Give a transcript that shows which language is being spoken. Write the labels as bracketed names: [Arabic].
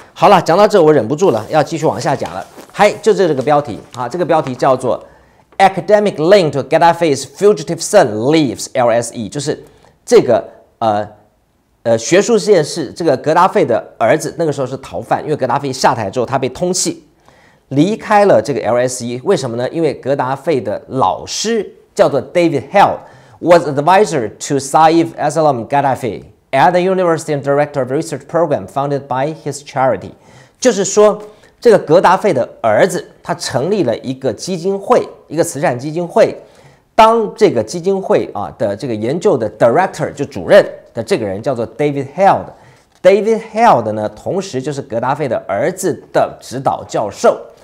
[Chinese] 好了，讲到这我忍不住了，要继续往下讲了。嗨，就这个标题啊，这个标题叫做 [English] Academic Link to Gaddafi's Fugitive Son Leaves LSE， [Chinese] 就是这个学术实验室，这个格达费的儿子那个时候是逃犯，因为格达费下台之后他被通缉离开了这个 LSE。为什么呢？因为格达费的老师叫做 [English] David Hell， was advisor to Saif Aslam Gaddafi at the University and Director of Research Program founded by his charity。 [Chinese] 就是说这个格达费的儿子他成立了一个基金会，一个慈善基金会，当这个基金会啊的这个研究的 director 就主任的这个人叫做 David Held。 David Held 呢同时就是格达费的儿子的指导教授。